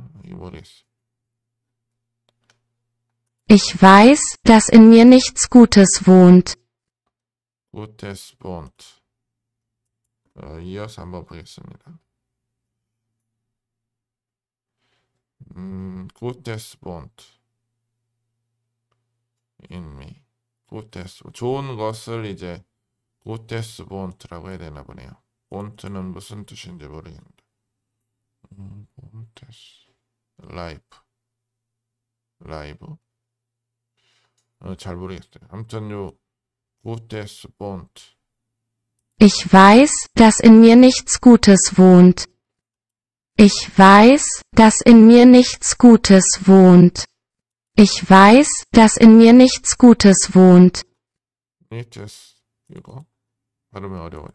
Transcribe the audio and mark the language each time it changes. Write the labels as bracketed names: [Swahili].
[German] 이 weiß, dass in mir nichts Gutes wohnt. Gutes wohnt. [Korean] 이어서 한번 보겠습니다. [German] Gutes wohnt. [English] In me. [Korean] 보테스, 좋은 것을 이제 보테스 본트라고 해야 되나 보네요. 본트는 무슨 뜻인지 모르겠는데. 보테스 라이브 잘 모르겠어요. 아무튼 요 보테스 본트 [German] Ich weiß, dass in mir nichts Gutes wohnt. Ich weiß, dass in mir nichts Gutes wohnt. Ich weiß, dass in mir nichts Gutes wohnt. [Korean] Nichts, 이거 발음이 어려워요.